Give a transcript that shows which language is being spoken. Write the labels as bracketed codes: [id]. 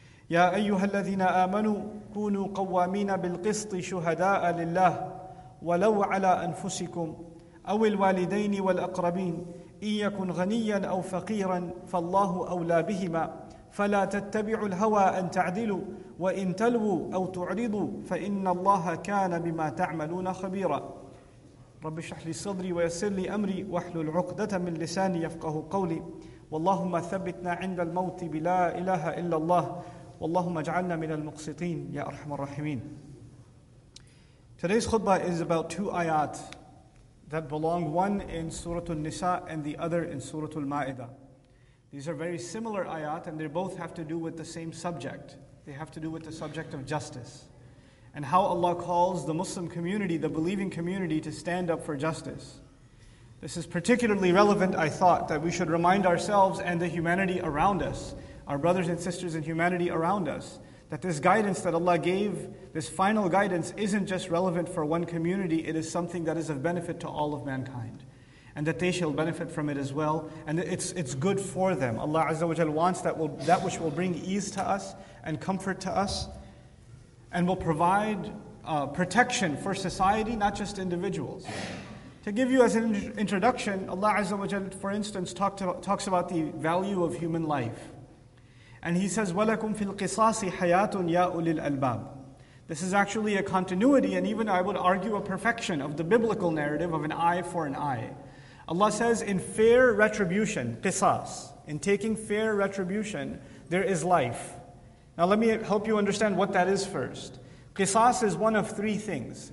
[ar] يا أيها الذين آمنوا كونوا قوامين بالقسط شهداء لله ولو على أنفسكم أو الوالدين والأقربين إن يكن غنيا أو فقيرا فالله أولى بهما فلا تتبعوا الهوى أن تعدلوا وإن تلووا أو تعرضوا فإن الله كان بما تعملون خبيرا رب اشرح لي صدري ويسر لي أمري واحلل عقدة من لساني يفقه قولي واللهم ثبتنا عند الموت بلا إله إلا الله واللهم اجعلنا من المقسطين يا أرحم الراحمين. [en] Today's khutbah is about two ayat that belong, one in Surah An-Nisa and the other in Surah Al-Ma'idah. These are very similar ayat and they both have to do with the same subject. They have to do with the subject of justice and how Allah calls the Muslim community, the believing community, to stand up for justice. This is particularly relevant, I thought, that we should remind ourselves and the humanity around us, our brothers and sisters in humanity around us, that this guidance that Allah gave, this final guidance, isn't just relevant for one community, it is something that is of benefit to all of mankind, and that they shall benefit from it as well, and it's good for them. Allah Azza wa Jal wants that which will bring ease to us and comfort to us, and will provide protection for society, not just individuals. To give you as an introduction, Allah Azza wa Jalla, for instance, talks about the value of human life. And He says, [ar] وَلَكُمْ فِي الْقِصَاصِ حَيَاةٌ يَا أُولِي الْأَلْبَابِ. [en] This is actually a continuity, and even I would argue a perfection of the biblical narrative of an eye for an eye. Allah says, in fair retribution, qisas, in taking fair retribution, there is life. Now let me help you understand what that is first. Qisas is one of three things.